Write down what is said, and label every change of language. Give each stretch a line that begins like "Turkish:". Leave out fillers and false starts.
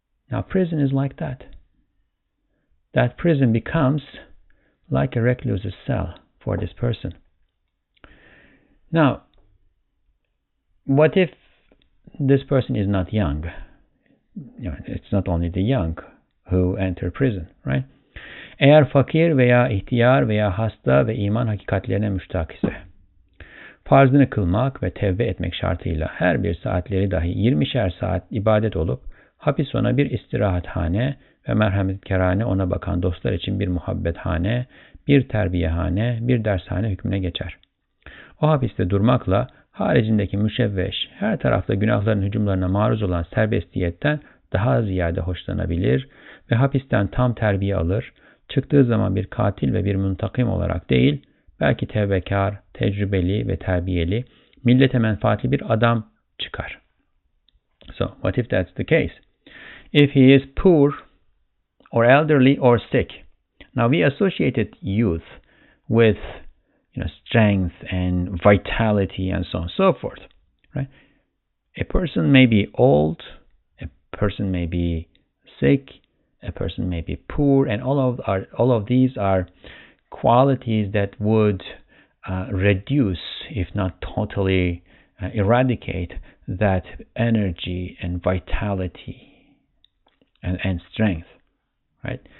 English: Now prison is like that. That prison becomes like a recluse's cell for this person. Now, what if this person is not young? You know, it's not only the young who enter prison, right?
Turkish: Eğer fakir veya ihtiyar veya hasta ve iman hakikatlerine müştak ise, farzını kılmak ve tevbe etmek şartıyla her bir saatleri dahi 20'şer saat ibadet olup, hapis ona bir istirahathane ve merhametkârâne ona bakan dostlar için bir muhabbethane, bir terbiyehane, bir dershane hükmüne geçer. O hapiste durmakla, haricindeki müşevveş, her tarafta günahların hücumlarına maruz olan serbestiyetten daha ziyade hoşlanabilir ve hapisten tam terbiye alır, çıktığı zaman bir katil ve bir müntakim olarak değil, belki tevbekar, tecrübeli ve terbiyeli, millete menfaatli bir adam çıkar.
English: So, what if that's the case? If he is poor, or elderly, or sick. Now, we associated youth with, you know, strength and vitality and so on and so forth, right? A person may be old, a person may be sick, a person may be poor, and all of these are qualities that would reduce, if not totally eradicate, that energy and vitality and strength, right?